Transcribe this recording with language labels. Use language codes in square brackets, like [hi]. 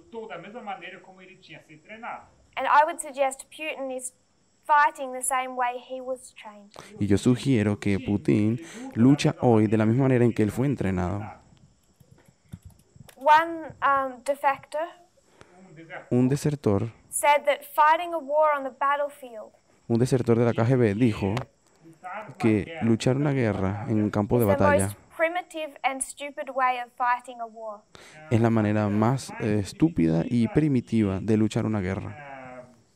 [en] And I would suggest Putin is fighting the same way he was trained. [es] Y yo sugiero que Putin lucha hoy de la misma manera en que él fue entrenado. [en] One defector. [es] Un desertor. [en] Said that fighting a war on the battlefield. [es] Un desertor de la KGB dijo que luchar una guerra en un campo de batalla. [en] Primitive and stupid way of fighting a war. [es] Es la manera más estúpida y primitiva de luchar una guerra.